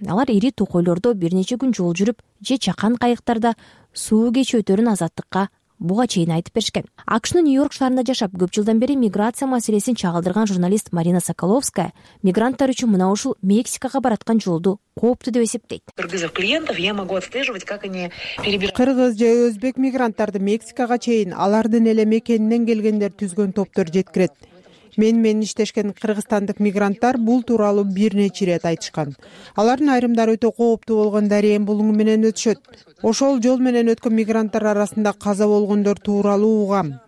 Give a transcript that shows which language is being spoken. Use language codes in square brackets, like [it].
[ky] Алар ири токойлордо бир нече күн жол жүрүп же чакан кайыктарда суу кечип өтөрүн Азаттыкка буга чейин айтып беришкен. АКШнын Нью-Йорк шаарында жашап, көп жылдан бери миграция маселесин чагылдырган журналист Марина Соколовская мигранттар үчүн мына ушул Мексикага бараткан жолду кооптуу деп эсептейт. [ru] Кыргызов клиентов я могу отслеживать, как они перебирают. [ky] Кыргыз же өзбек мигранттарды Мексикага чейин алардын эле мекенинен келгендер түзгөн топтор жеткирет. Мен иштешкен кыргызстандык мигранттар бул тууралуу бир нече ирет айтышкан. Алардын айрымдары өтө кооптуу болгон дарыян булуңу менен өтүшөт. Ошол жол менен өткөн мигранттар арасында каза болгондор тууралуу угам.